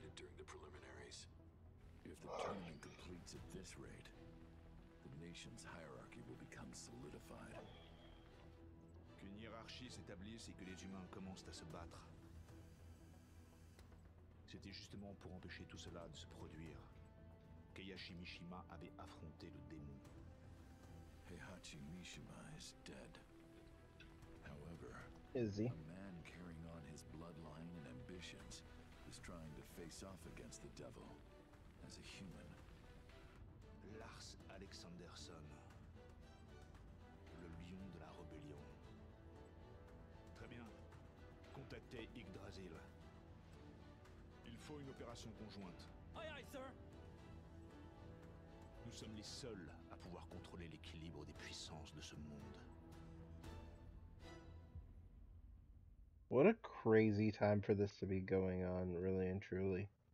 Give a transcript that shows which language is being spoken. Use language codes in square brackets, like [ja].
[en] the tournament completes at this rate, the nation's hierarchy will become solidified. [fr] Qu'une hiérarchie s'établisse et que les humains commencent à se battre. C'était justement pour empêcher tout cela de se produire qu'Heihachi Mishima avait affronté le démon. [en] Heihachi Mishima is dead. However, is he? A man carrying on his bloodline and ambitions is trying to face off against the devil as a human. [fr] Lars Alexanderson, le lion de la rébellion. Très bien. Contactez Yggdrasil. Il faut une opération conjointe. [en] Aye, aye, sir. [fr] Nous sommes les seuls à pouvoir contrôler l'équilibre des puissances de ce monde. [en] What a crazy time for this to be going on, really and truly.